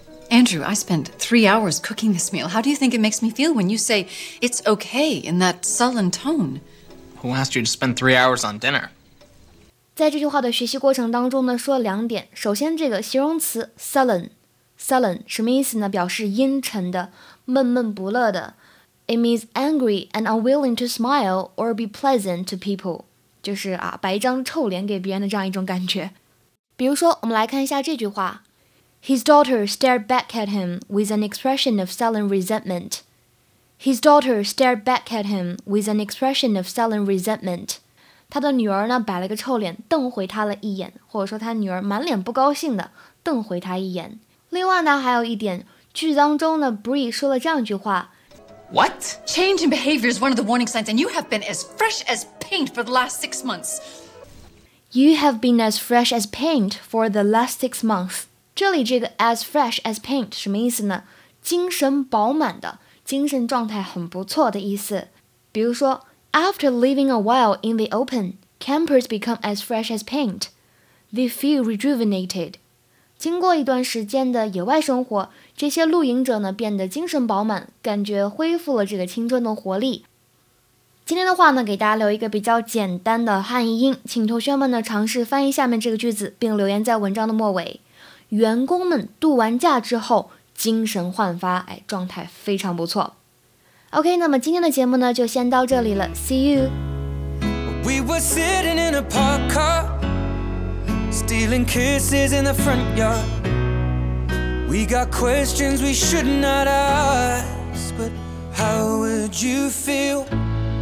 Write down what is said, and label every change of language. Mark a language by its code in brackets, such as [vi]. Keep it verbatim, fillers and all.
[en] Andrew, I spent three hours cooking this meal. How do you think it makes me feel when you say it's okay in that sullen tone? Who asked you to spend three hours on dinner? [zh] 在这句话的学习过程当中呢，说两点。首先，这个形容词 sullen， sullen 什么意思呢？表示阴沉的、闷闷不乐的。 [en] It means angry and unwilling to smile or be pleasant to people， [zh] 就是啊，摆一张臭脸给别人的这样一种感觉。比如说，我们来看一下这句话 [en] ：His daughter stared back at him with an expression of sullen resentment. His daughter stared back at him with an expression of sullen resentment. [zh] 他的女儿呢摆了个臭脸瞪回他了一眼，或者说他女儿满脸不高兴的瞪回他一眼。另外呢还有一点，句子当中呢 Bree 说了这样一句话 [en] What? Change in behavior is one of the warning signs and you have been as fresh as paint for the last six months. You have been as fresh as paint for the last six months. [zh] 这里这个 as fresh as paint 什么意思呢？精神饱满的，精神状态很不错的意思。 [en] 比如说After living a while in the open, campers become as fresh as paint. They feel rejuvenated. [zh] 经过一段时间的野外生活，这些露营者呢变得精神饱满，感觉恢复了这个青春的活力。今天的话呢，给大家留一个比较简单的汉译英，请同学们呢尝试翻译下面这个句子，并留言在文章的末尾。员工们度完假之后，精神焕发，哎，状态非常不错。 OK, 那么今天的节目呢就先到这里了 [en] See you! We were sitting in a parked car Stealing kisses in the front yard We got questions we should not ask But how would you feel